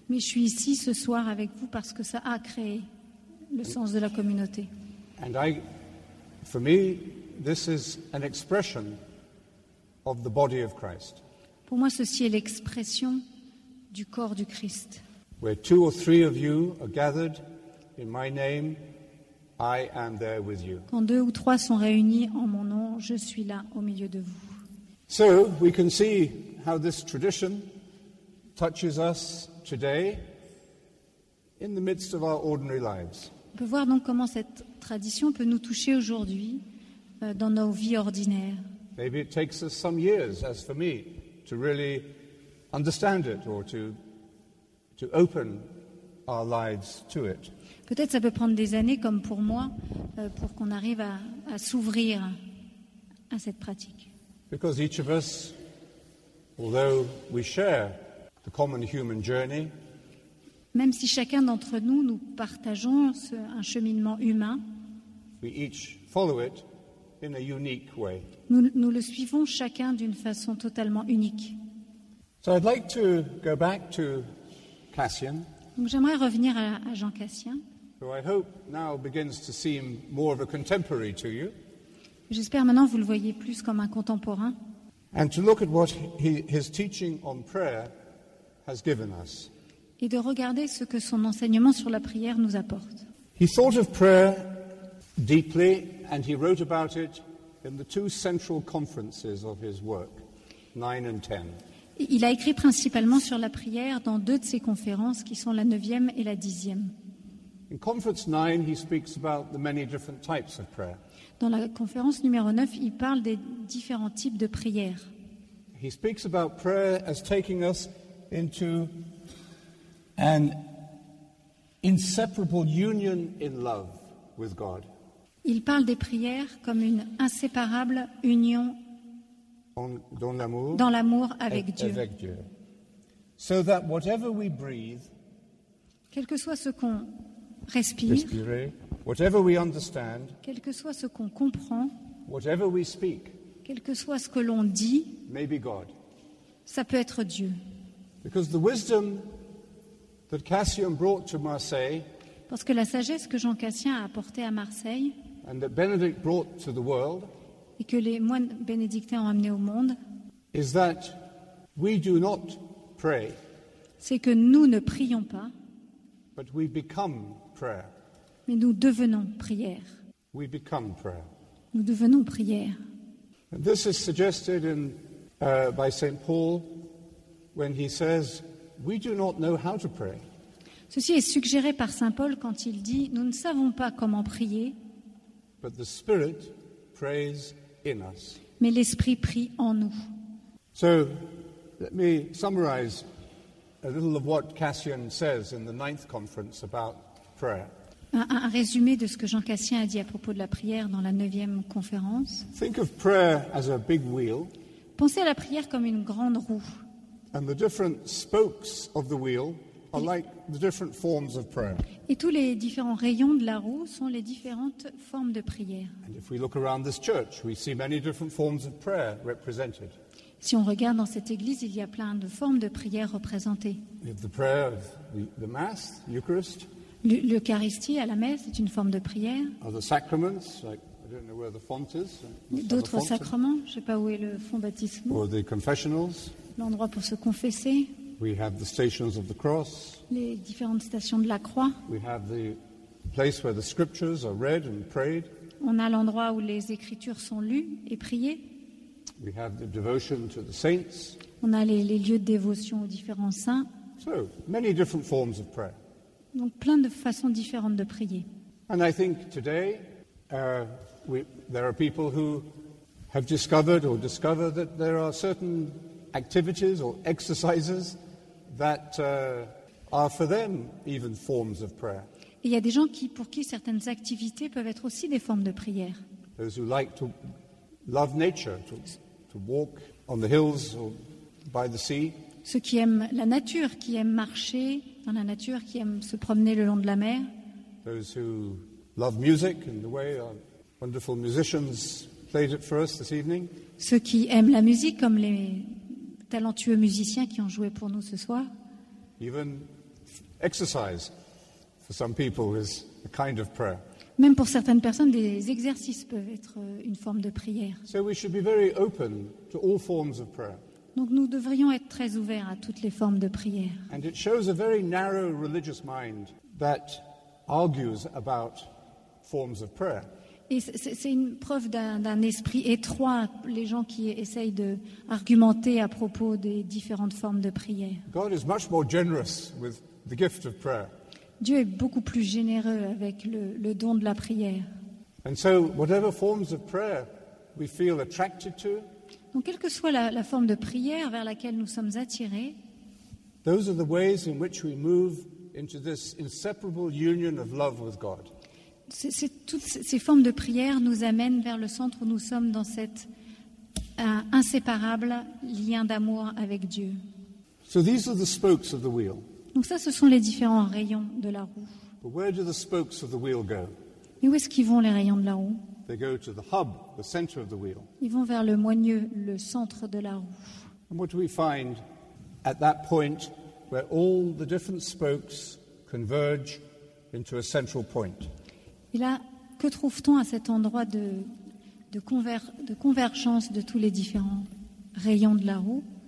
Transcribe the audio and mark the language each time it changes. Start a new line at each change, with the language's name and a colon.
French: Mais je suis ici ce soir avec vous parce que ça a créé le sens de la communauté.
English: And I, for me, this is an expression of the body of Christ.
French: Pour moi, ceci est l'expression du corps du Christ.
English: Where two or three of you are gathered in my name, I am there with you.
French: Quand deux ou trois sont réunis en mon nom, je suis là au milieu de vous.
English: So we can see how this tradition touches us today in the midst of our ordinary lives.
French: On peut voir donc comment cette tradition peut nous toucher aujourd'hui dans nos vies ordinaires.
English: Maybe it takes us some years, as for me, to really understand it or to open our lives to it.
French: Peut-être ça peut prendre des années, comme pour moi, pour qu'on arrive à s'ouvrir à cette pratique.
English: Because each of us, although we share the common human journey,
French: même si chacun d'entre nous, nous partageons un cheminement humain,
English: we each follow it in a unique way.
French: Nous le suivons chacun d'une façon totalement unique.
English: So I'd like to go back to Cassian,
French: donc j'aimerais revenir à Jean Cassien,
English: who I hope now begins to seem more of a contemporary to you.
French: J'espère maintenant vous le voyez plus comme un contemporain.
English: And to look at what his teaching on prayer has given us.
French: Et de regarder ce que son enseignement sur la prière nous apporte.
English: He thought of prayer deeply, and he wrote about it in the two central conferences of his work, 9 and 10.
French: Il a écrit principalement sur la prière dans deux de ses conférences, qui sont la 9e et la 10e.
English: In conference 9, he speaks about the many different types of prayer.
French: Dans la conférence numéro 9, il parle des différents types de prières.
English: He speaks about prayer as taking us into an inseparable union in love with God.
French: Il parle des prières comme une inséparable union dans l'amour avec Dieu. Avec Dieu.
English: So that whatever we breathe,
French: quel que soit ce qu'on respire,
English: whatever we understand,
French: quel que soit ce qu'on comprend,
English: whatever we speak,
French: quel que soit ce que l'on dit,
English: maybe God.
French: Ça peut être Dieu.
English: Because the wisdom that Cassian brought to Marseille,
French: parce que la sagesse que Jean Cassien a apportée à Marseille,
English: and that Benedict brought to the world,
French: et que les moines bénédictins ont amené au monde,
English: is that we do not pray,
French: c'est que nous ne prions pas,
English: but we become prayer.
French: Mais nous devenons prière.
English: We become prayer.
French: Nous devenons prière.
English: And this is suggested in, by Saint Paul when he says, "We do not know how to pray."
French: Ceci est suggéré par Saint Paul quand il dit, "Nous ne savons pas comment prier."
English: But the Spirit prays in us.
French: Mais l'Esprit prie en nous.
English: So, let me summarize a little of what Cassian says in the ninth conference about prayer.
French: Un résumé de ce que Jean Cassien a dit à propos de la prière dans la 9e conférence.
English: Think of prayer as a big wheel.
French: Pensez à la prière comme une grande roue.
English: And the different spokes of the wheel are like the different forms of prayer.
French: Et tous les différents rayons de la roue sont les différentes formes de prière.
English: And if we look around this church, we see many different forms of prayer represented.
French: Si on regarde dans cette église, il y a plein de formes de prière représentées.
English: We have the prayer of the Mass, the Eucharist.
French: L'Eucharistie à la messe est une forme de prière.
English: Other sacraments, like, I don't know where the font is.
French: D'autres sacrements, je ne sais pas où est le font baptismal.
English: Or the confessionals.
French: L'endroit pour se confesser.
English: We have the stations of the cross.
French: Les différentes stations de la croix.
English: We have the place where the scriptures are read and prayed.
French: On a l'endroit où les écritures sont lues et priées.
English: We have the devotion to the saints.
French: On a les lieux de dévotion aux différents saints.
English: So, many different forms of prayer.
French: Donc plein de façons différentes de prier.
English: And I think today there are people who have discovered or discover that there are certain activities or exercises that are for them even forms of prayer.
French: Il y a des gens qui pour qui certaines activités peuvent être aussi des formes de prière.
English: Those who like to love nature, to walk on the hills or by the sea.
French: Ceux qui aiment la nature, qui aiment marcher dans la nature, qui aiment se promener le long de la mer.
English: Those who love music and the way our wonderful musicians played it for us this evening.
French: Ceux qui aiment la musique, comme les talentueux musiciens qui ont joué pour nous ce soir.
English: Even exercise for some people is a kind of prayer.
French: Même pour certaines personnes, des exercices peuvent être une forme de prière.
English: So we should be very open to all forms of prayer.
French: Donc nous devrions être très ouverts à toutes les formes de prière.
English: And it shows a very narrow religious mind that argues about forms of prayer.
French: Et c'est une preuve d'un esprit étroit, les gens qui essayent d'argumenter à propos des différentes formes de prière.
English: God is much more generous with the gift of prayer.
French: Dieu est beaucoup plus généreux avec le don de la prière.
English: And so whatever forms of prayer we feel attracted to,
French: donc, quelle que soit la forme de prière vers laquelle nous sommes attirés,
English: those are the ways in which we move into this inseparable union of love with God.
French: Toutes ces formes de prière nous amènent vers le centre où nous sommes dans cet inséparable lien d'amour avec Dieu.
English: So these are the spokes of the wheel.
French: Donc ça, ce sont les différents rayons de la roue.
English: But where do the spokes of the wheel go?
French: Mais où est-ce qu'ils vont les rayons de la roue?
English: They go to the hub, the center of the wheel.
French: Ils vont vers le moigneux, le centre de la roue.
English: And what do we find at that point where all the different spokes converge into a central point?
French: Et là, que trouve-t-on à cet endroit de convergence de tous les différents rayons de la roue?